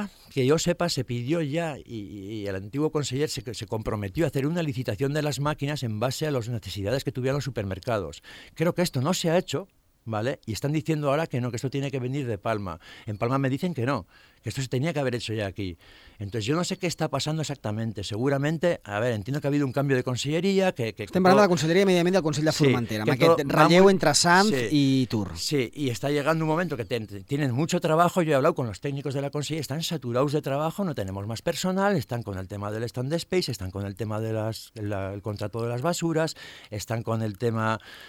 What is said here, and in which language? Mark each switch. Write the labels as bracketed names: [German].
[Spanish] Que yo sepa, se pidió ya y el antiguo conseller se comprometió a hacer una licitación de las máquinas en base a las necesidades que tuvieran los supermercados. Creo que esto no se ha hecho, ¿vale? Y están diciendo ahora que no, que esto tiene que venir de Palma. En Palma me dicen que no, que esto se tenía que haber hecho ya aquí. Entonces yo no sé qué está pasando exactamente. Seguramente, a ver, entiendo que ha habido un cambio de consellería. [Catalan] Estem parlant de la Conselleria de Medi Ambient del Consell de Formentera, amb aquest relleu entre Sanz i Tur. [Spanish] Sí, y está llegando un momento que tienen mucho trabajo. Yo he hablado con los técnicos de la consellería, están saturados de trabajo, no tenemos más personal, están con el tema del stand space, están con el tema del contrato de las basuras, están con el tema...